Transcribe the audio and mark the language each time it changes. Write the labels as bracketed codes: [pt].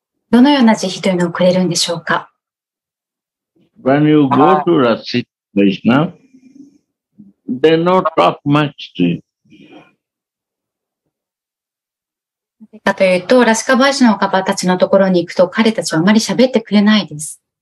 [ja] どのような慈悲というのをくれるんでしょうか? [en] When you go to Rasika Krishna, they don't talk much to you. [ja] かというと、ラシカバイシナバたちのところに行くと、彼たちはあまり喋ってくれないです。